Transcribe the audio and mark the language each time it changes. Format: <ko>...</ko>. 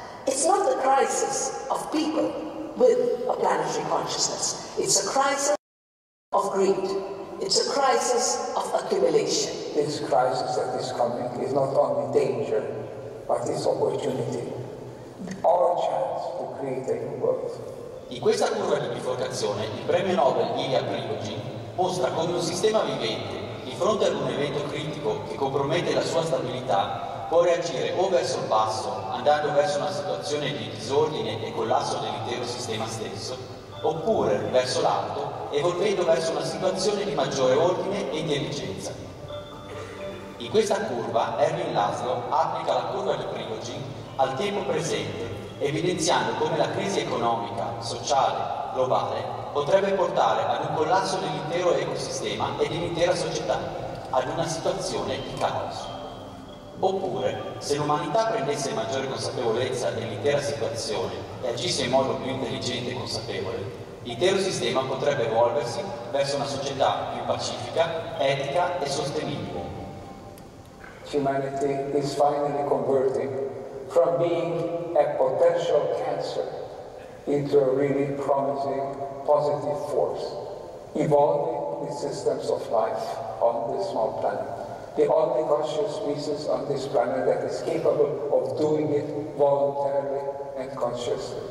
<en>It's not the crisis of people with a planetary consciousness. It's a crisis of greed. It's a crisis of accumulation. This crisis that is coming is not only danger, but it's opportunity. Our chance to create a new world.</en> <it>In questa curva di biforcazione, il premio Nobel Ilya Prigozhin mostra come un sistema vivente, di fronte ad un evento critico che compromette la sua stabilità, può reagire o verso il basso, andando verso una situazione di disordine e collasso dell'intero sistema stesso, oppure verso l'alto, evolvendo verso una situazione di maggiore ordine e intelligenza. In questa curva, Erwin Laszlo applica la curva di Prigozhin al tempo presente, evidenziando come la crisi economica, sociale, globale potrebbe portare ad un collasso dell'intero ecosistema e dell'intera società, ad una situazione di caos. Oppure, se l'umanità prendesse maggiore consapevolezza dell'intera situazione e agisse in modo più intelligente e consapevole, l'intero sistema potrebbe evolversi verso una società più pacifica, etica e sostenibile.</it> <en>Humanity is finally converting from being a potential cancer into a really promising positive force, evolving the systems of life on this small planet. The only conscious species on this planet that is capable of doing it voluntarily and consciously.</en>